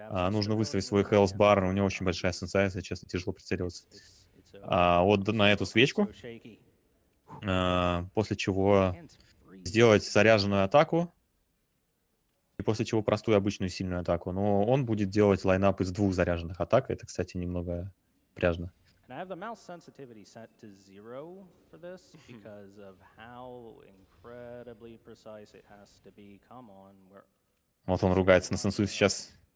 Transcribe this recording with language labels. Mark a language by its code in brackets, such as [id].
[ru] Нужно выставить свой health bar, у него очень большая сенса, если честно, тяжело прицеливаться. Вот на эту свечку, после чего сделать заряженную атаку, и после чего простую обычную сильную атаку. Но он будет делать лайнап из двух заряженных атак, это, кстати, немного пряжно. [en] And I have the mouse sensitivity set to zero for this because of how incredibly precise it has to be. Come on, we're... [ru] Вот он ругается на сенсу сейчас.